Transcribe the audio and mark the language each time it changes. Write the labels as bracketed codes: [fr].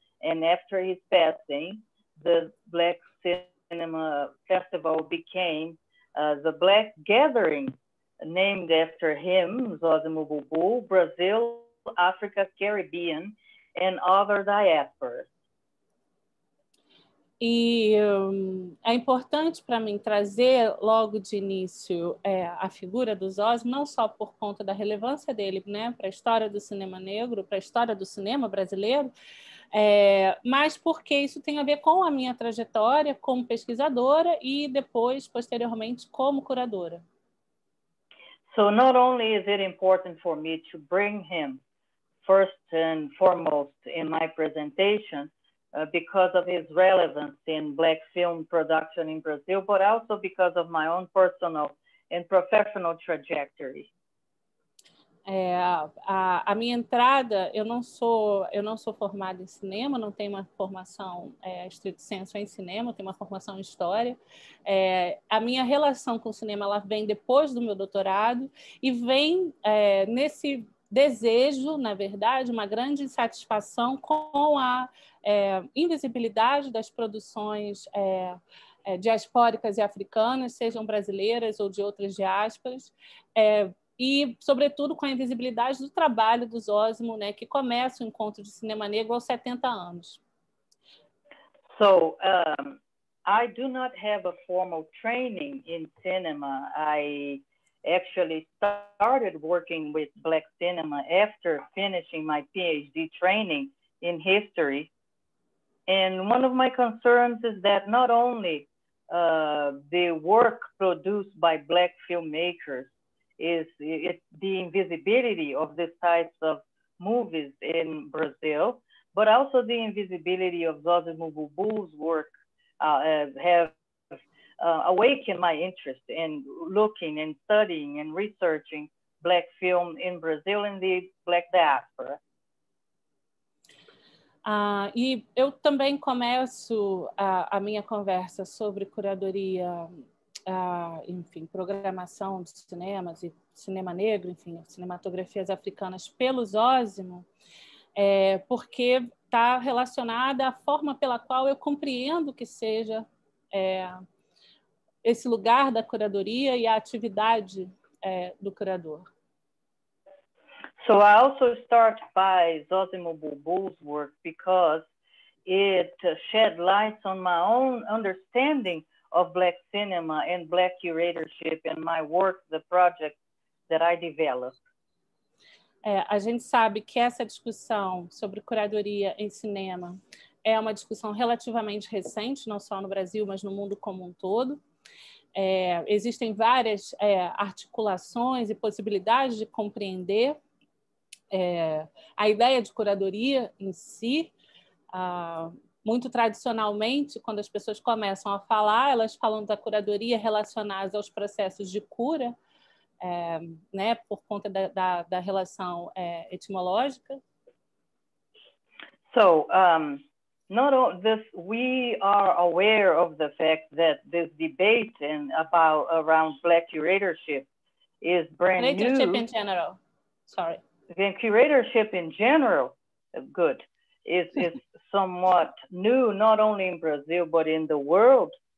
[en] And after his passing, the black cinema festival became the Black Gathering, named after him, Zozimo Bulbul, Brazil, Africa, Caribbean, and other diasporas. [pt] E é importante para mim trazer logo de início a figura do Zozimo, não só por conta da relevância dele, né, para a história do cinema negro, para a história do cinema brasileiro, mas porque isso tem a ver com a minha trajetória como pesquisadora e depois, posteriormente, como curadora. [en] So not only is it important for me to bring him first and foremost in my presentation, because of his relevance in black film production in Brazil, but also because of my own personal and professional trajectory. [pt] A minha entrada, eu não sou formada em cinema, não tenho uma formação estrito senso em cinema, tenho uma formação em história. A minha relação com o cinema, ela vem depois do meu doutorado e vem nesse desejo, na verdade, uma grande insatisfação com a invisibilidade das produções diaspóricas e africanas, sejam brasileiras ou de outras diásporas, e, sobretudo, com a invisibilidade do trabalho do Zozimo, né, que começa o Encontro de Cinema Negro aos 70 anos. [en] So, I do not have a formal training in cinema. I actually started working with black cinema after finishing my PhD training in history. And one of my concerns is that not only the work produced by black filmmakers is it the invisibility of these types of movies in Brazil, but also the invisibility of Zozimo Bulbul's work have awakened my interest in looking and studying and researching black film in Brazil and the black diaspora. [pt] E eu também começo a minha conversa sobre curadoria, enfim, programação de cinemas e cinema negro, enfim, cinematografias africanas pelo Zozimo, porque está relacionada à forma pela qual eu compreendo que seja esse lugar da curadoria e a atividade do curador. [en] So I also start by Zozimo Bulbul's work because it shed lights on my own understanding of Black cinema and Black curatorship and my work, the project that I developed. [pt] A gente sabe que essa discussão sobre curadoria em cinema é uma discussão relativamente recente, não só no Brasil, mas no mundo como um todo. Existem várias articulações e possibilidades de compreender a ideia de curadoria em si. Muito tradicionalmente, quando as pessoas começam a falar, elas falam da curadoria relacionada aos processos de cura, né, por conta da relação etimológica. [en] So, not all this, we are aware of the fact that this debate and about around Black curatorship is brand new. Curatorship in general, sorry. Then curatorship in general, good, is somewhat new, not only in Brazil, but in the world.